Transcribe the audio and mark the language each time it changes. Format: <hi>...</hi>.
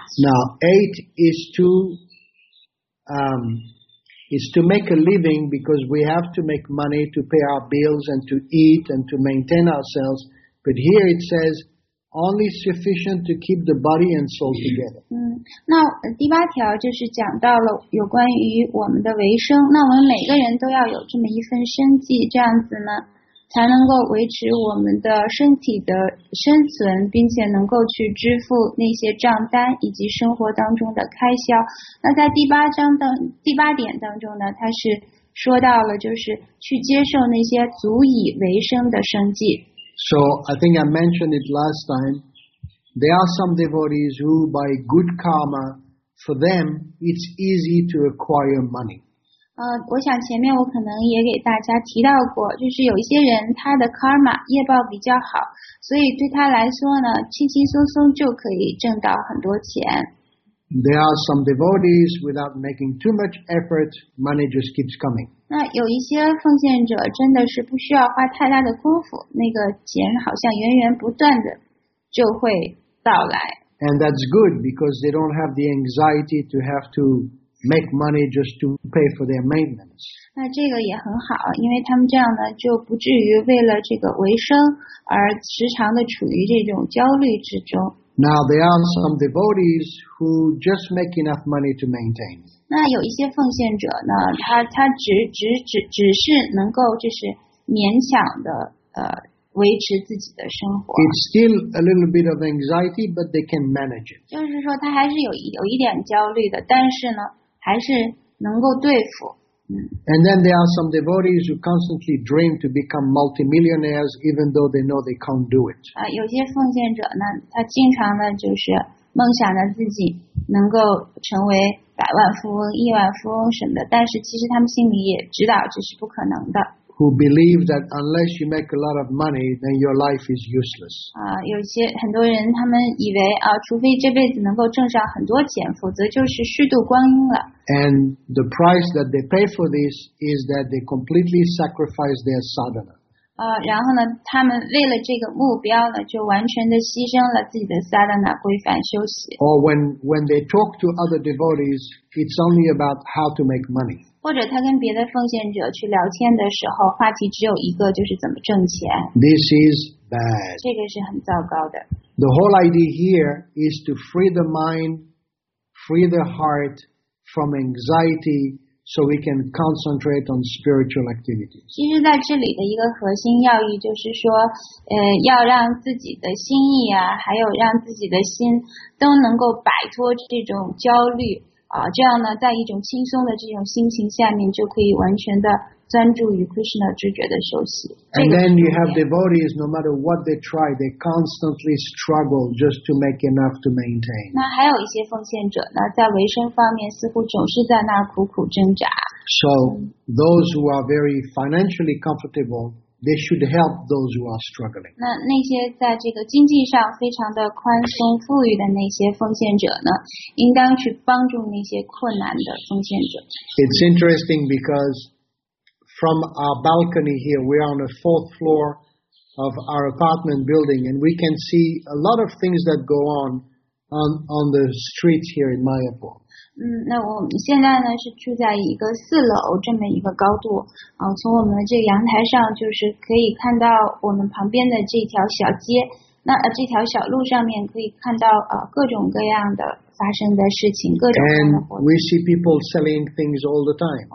<en>Now eight is to make a living, because we have to make money to pay our bills and to eat and to maintain ourselves. But here it says,only sufficient to keep the body and soul together.</en> <zh>那第八条就是讲到了有关于我们的维生，那我们每个人都要有这么一份生计，这样子呢才能够维持我们的身体的生存，并且能够去支付那些账单以及生活当中的开销。那在第八点当中呢，它是说到了就是去接受那些足以维生的生计。</zh> <en>So I think I mentioned it last time. There are some devotees who, by good karma, for them it's easy to acquire money.</en> <zh>我想前面我可能也给大家提到过，就是有一些人他的 karma 业报比较好，所以对他来说呢，轻轻松松就可以挣到很多钱。</zh> <en>There are some devotees without making too much effort, money just keeps coming.</en> <zh>那有一些奉献者真的是不需要花太大的功夫，那个钱好像源源不断的就会到来。</zh> <en>And that's good, because they don't have the anxiety to have to make money just to pay for their maintenance.</en> <zh>那这个也很好，因为他们这样呢就不至于为了这个维生而时常的处于这种焦虑之中。</zh> <en>Now there are some devotees who just make enough money to maintain.</en> <zh>那有一些奉献者呢，他只是能够就是勉强的维持自己的生活。</zh> <en>It's still a little bit of anxiety, but they can manage it.</en> <zh>就是说他还是有一点焦虑的，但是呢，还是能够对付。</zh> <en>And then there are some devotees who constantly dream to become multimillionaires even though they know they can't do it.</en> <zh>有些奉献者呢，他经常呢就是梦想着自己能够成为百万富翁、亿万富翁什么的，但是其实他们心里也知道这是不可能的。</zh> <en>Who believe that unless you make a lot of money, then your life is useless.</en> <zh>有些很多人他们以为啊，除非这辈子能够挣上很多钱，否则就是虚度光阴了。</zh> <en>And the price that they pay for this is that they completely sacrifice their sadhana.</en> <zh>然后呢，他们为了这个目标呢，就完全的牺牲了自己的 sadhana 规范休息。</zh> <en>Or when they talk to other devotees, it's only about how to make money.</en> <zh>或者他跟别的奉献者去聊天的时候，话题只有一个，就是怎么挣钱。</zh> <en>This is bad.</en> <zh>这个是很糟糕的。</zh> <en>The whole idea here is to free the mind, free the heart from anxiety, so we can concentrate on spiritual activities.</en> <zh>其实在这里的一个核心要义就是说，要让自己的心意啊，还有让自己的心都能够摆脱这种焦虑。这样呢，在一种轻松的这种心情下面，就可以完全的专注于 Krishna 知觉的休息。</zh> <en>And then you have devotees, no matter what they try, they constantly struggle just to make enough to maintain.</en> <zh>那还有一些奉献者呢，在维生方面似乎总是在那苦苦挣扎。</zh> <en>So those who are very financially comfortable, they should help those who are struggling.</en> <zh>那些在这个经济上非常的宽松富裕的那些奉献者呢，应当去帮助那些困难的奉献者。</zh> <en>It's interesting because from our balcony here, we are on the fourth floor of our apartment building, and we can see a lot of things that go on the streets here in Mayapur.</en> <zh>那我们现在呢是住在一个四楼这么一个高度，从我们的这个阳台上就是可以看到我们旁边的这条小街，那这条小路上面可以看到各种各样的发生的事情，各种各样的活动。</zh> <en>And we see people selling things all the time.</en>